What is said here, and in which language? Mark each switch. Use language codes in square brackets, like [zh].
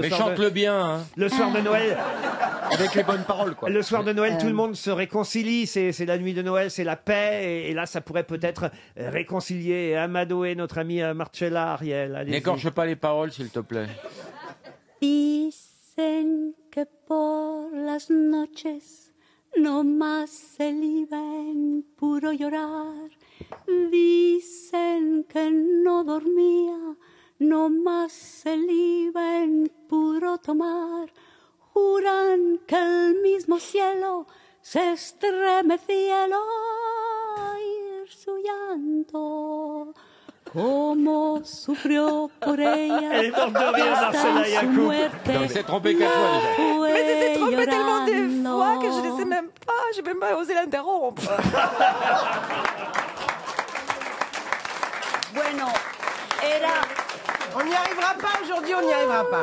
[fr] mais soir chante de... le bien hein. Le soir de Noël avec les bonnes paroles quoi. Le soir de Noël tout le monde se réconcilie, c'est la nuit de Noël, c'est la paix et là ça pourrait peut-être réconcilier et amadouer notre ami Marcella. Ariel, n'écorche pas les paroles s'il te plaît. [en] Peace [es] Dicen que por las noches no más se libra en puro llorar. Dicen que no dormía, no más se libra en puro tomar. Juran que el mismo cielo se estremecía al oír su llanto. Cómo sufrió por ella. [fr] Elle est morte de rire, Marcella Yacoub. Elle s'est trompée quatre fois. Mais elle s'est trompée tellement de fois que je ne sais même pas, j'ai même pas osé l'interrompre. [es] Bueno, era. [fr] On n'y arrivera pas aujourd'hui, on n'y arrivera pas.